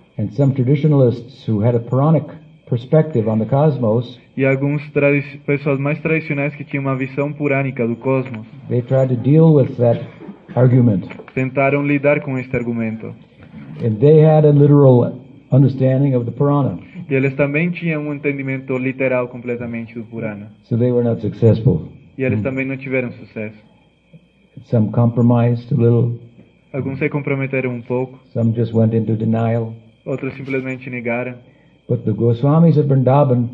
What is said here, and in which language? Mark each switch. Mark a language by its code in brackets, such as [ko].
[en] and some traditionalists who had a Puranic perspective on the cosmos, [pt] e alguns pessoas mais tradicionais que tinham uma visão purânica do cosmos, [en] they tried to deal with that argument. [pt] Tentaram lidar com este argumento. [en] And they had a literal understanding of the Purana. [pt] E eles também tinham um entendimento literal completamente do Purana. [en] So they were not successful. [pt] E eles também não tiveram sucesso. [en] Some compromised a little. [pt] Alguns se comprometeram um pouco. [en] Some just went into denial. [pt] Outros simplesmente negaram. [en] But the Goswamis of Vrindavan,